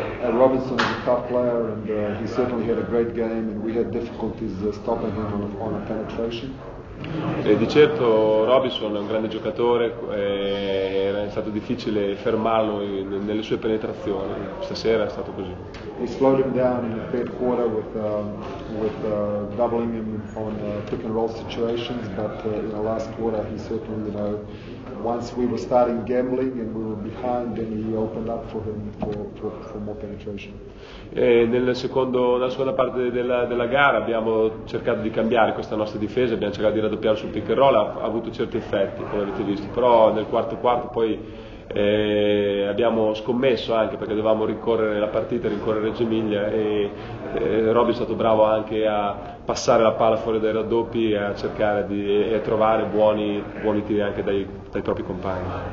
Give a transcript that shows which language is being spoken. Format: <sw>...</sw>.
<en>Robinson</en> <it>è un</it> <en>tough player and he certainly had a great game and we had difficulties stopping him on a penetration.</en> <it>E di certo Robinson è un grande giocatore, è stato difficile fermarlo nelle sue penetrazioni, stasera è stato così.</it> <en>He slowed him down in the third quarter with doubling him on pick and roll situations, but in the last quarter he certainly, you know, once we were starting gambling and we were behind, then he opened up for him for more penetration.</en> <it>E nella seconda parte della gara abbiamo cercato di cambiare questa nostra difesa, abbiamo cercato di raddoppiare sul pick and roll, ha avuto certi effetti, come avete visto, però nel quarto quarto poi abbiamo scommesso anche perché dovevamo rincorrere la partita, rincorrere Reggio Emilia e Robby è stato bravo anche a passare la palla fuori dai raddoppi e a cercare di e a trovare buoni tiri anche dai propri compagni.</it>